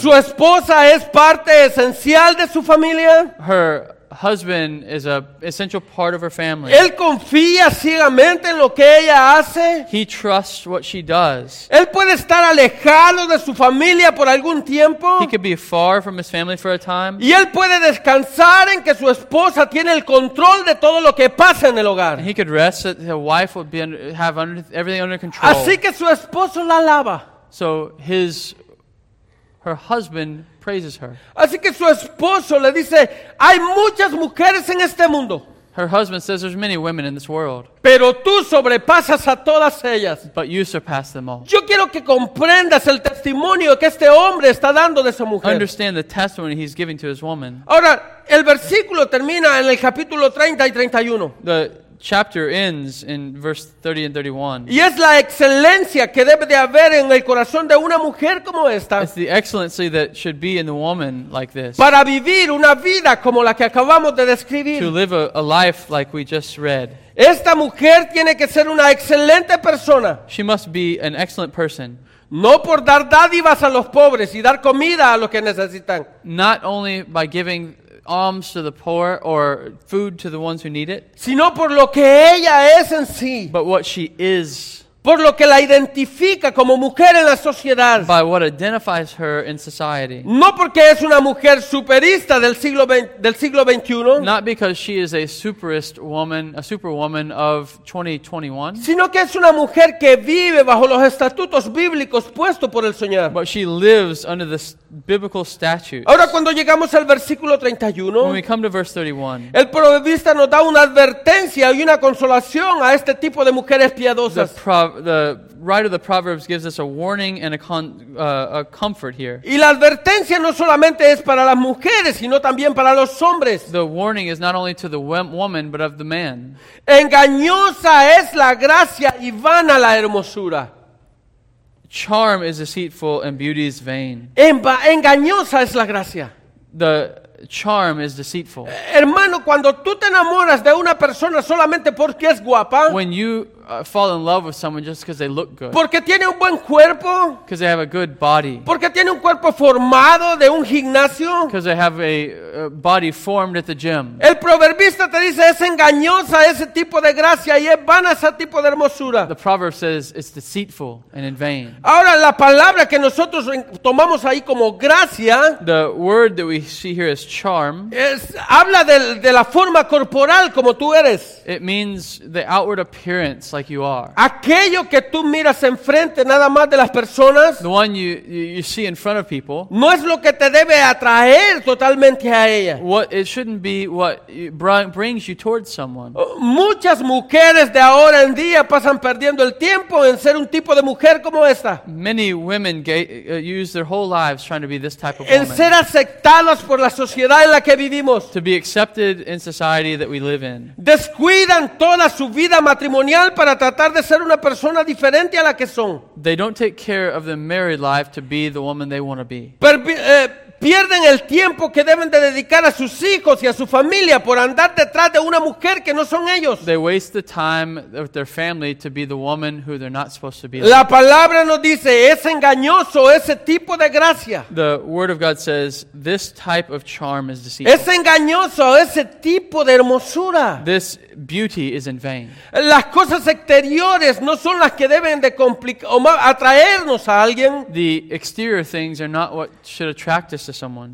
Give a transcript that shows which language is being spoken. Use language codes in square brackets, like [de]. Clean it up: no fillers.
[es] Su esposa es parte esencial de su familia. [en] Her husband is a essential part of her family. [es] Él confía ciegamente en lo que ella hace. [en] He trusts what she does. [es] Él puede estar alejado de su familia por algún tiempo. [en] He could be far from his family for a time. [es] Y él puede descansar en que su esposa tiene el control de todo lo que pasa en el hogar. [en] And he could rest that the wife would be everything under control. [es] Así que su esposo la alaba. [en] So her husband praises her. [es] Así que su esposo le dice, hay muchas mujeres en este mundo. [en] Her husband says there's many women in this world. [es] Pero tú sobrepasas a todas ellas. [en] But you surpass them all. [es] Yo quiero que comprendas el testimonio que este hombre está dando de esa mujer. [en] Understand the testimony he's giving to his woman. [es] Ahora, el versículo termina en el capítulo 30 y 31. [en] The chapter ends in verse 30 and 31. [es] Y es la excelencia que debe de haber en el corazón de una mujer como esta. [en] It's the excellency that should be in the woman like this. [es] Para vivir una vida como la que acabamos de describir. [en] To live a life like we just read. [es] Esta mujer tiene que ser una excelente persona. [en] She must be an excellent person. [es] No por dar dádivas a los pobres y dar comida a los que necesitan. [en] Not only by giving alms to the poor or food to the ones who need it, [es] sino por lo que ella es en sí, [en] but what she is, [es] por lo que la identifica como mujer en la sociedad, [en] by what identifies her in society, [es] no porque es una mujer superista del siglo 21, [en] not because she is a superist woman, a superwoman of 2021, [es] sino que es una mujer que vive bajo los estatutos bíblicos puestos por el Señor, [en] but she lives under the biblical statutes. [es] Ahora cuando llegamos al versículo 31, [en] when we come to verse 31, [es] el proverbista nos da una advertencia y una consolación a este tipo de mujeres piadosas. [en] The writer of the Proverbs gives us a warning and a comfort here. [es] Y la advertencia no solamente es para las mujeres, sino también para los hombres. [en] The warning is not only to the woman, but of the man. [es] Engañosa es la gracia y vana la hermosura. [en] Charm is deceitful and beauty is vain. [es] Engañosa es la gracia. [en] The charm is deceitful. [es] Hermano, cuando tú te enamoras de una persona solamente porque es guapa, [en] when you fall in love with someone just because they look good. [es] Porque tiene un buen cuerpo. [en] Because they have a good body. [es] Porque tiene un cuerpo formado de un gimnasio. [en] Because they have a body formed at the gym. [es] El proverbista te dice es engañosa ese tipo de gracia y es vana ese tipo de hermosura. [en] The proverb says it's deceitful and in vain. [es] Ahora la palabra que nosotros tomamos ahí como gracia. [en] The word that we see here is charm. [es] Es habla de la forma corporal como tú eres. [en] It means the outward appearance, like you are. [es] Aquello que tú miras enfrente nada más de las personas. [en] The one you see in front of people. [es] No es lo que te debe atraer totalmente a ella. [en] What it shouldn't be what brings you towards someone. [es] Muchas mujeres de ahora en día pasan perdiendo el tiempo en ser un tipo de mujer como esta. [en] Many women use their whole lives trying to be this type of woman. [es] En ser aceptadas por la sociedad en la que vivimos. [en] To be accepted in society that we live in. [es] Descuidan toda su vida matrimonial para tratar de ser una persona diferente a la que son. [en] They don't take care of their married life to be the woman they want to be. [es] Pierden el tiempo que deben de dedicar a sus hijos y a su familia por andar detrás de una mujer que no son ellos. [en] They waste the time of their family to be the woman who they're not supposed to be. [es] La palabra nos dice, es engañoso ese tipo de gracia. [en] The word of God says, this type of charm is deceitful. [es] Es engañoso ese tipo de hermosura. [en] This beauty is in vain. [es] Las cosas exteriores no son las que deben de complicar o atraernos a alguien. [en] The exterior things are not what should attract us to someone.